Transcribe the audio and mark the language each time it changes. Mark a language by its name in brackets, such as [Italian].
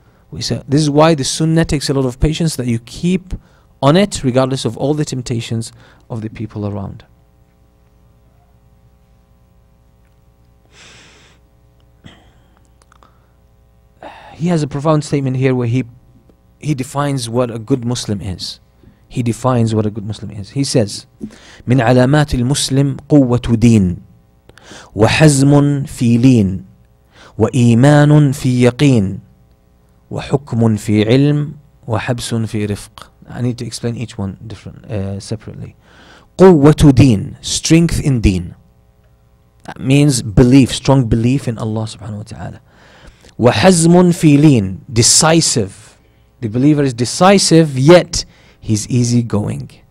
[English] We say, this is why the sunnah takes a lot of patience, that you keep on it regardless of all the temptations of the people around. He has a profound statement here where he defines what a good Muslim is. He defines what a good Muslim is. He says, [Arabic] من علامات المسلم قوة دين وحزم في لين وإيمان في يقين وحكم في علم وحبس في رفق. [English] I need to explain each one separately. [Arabic] قوة دين, [English] strength in deen. That means belief, strong belief in Allah subhanahu wa ta'ala. [Arabic] وَحَزْمٌ فِي لِين. [English] Decisive. The believer is decisive, yet he's easygoing.